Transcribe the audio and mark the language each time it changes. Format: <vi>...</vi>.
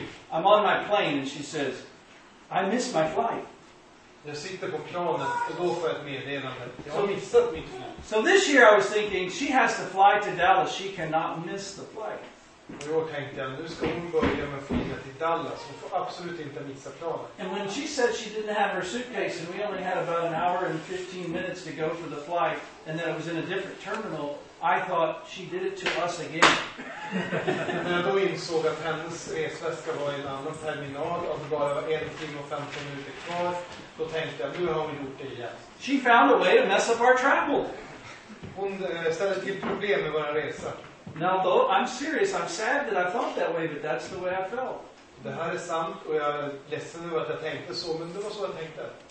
<en>I'm on my plane, and she says, I missed my flight.</en> <sv>Jag sitter på planet och då får jag ett meddelande. Jag har missat mitt flyg.</sv> <en>So this year I was thinking, she has to fly to Dallas. She cannot miss the flight.</en> <sv>Och då tänkte jag, nu ska hon börja med flyget till Dallas. Hon får absolut inte missa planet.</sv> <en>And when she said she didn't have her suitcase and we only had about an hour and 15 minutes to go for the flight and that it was in a different terminal, I thought she did it to us again.</en> <sv>När jag då insåg att hennes resväska var i en annan terminal och det bara var 1 timme och 15 minuter kvar, då tänkte jag, nu har vi gjort det igen.</sv> <en>She found a way to mess up our travel.</en> <sv>Hon ställde till problem med våra resa.</sv> <en>Now though, I'm serious, I'm sad that I thought that way, but that's the way I felt.</en> <sv>Det här är sant och jag är ledsen nu att jag tänkte så, men det var så jag tänkte.</sv>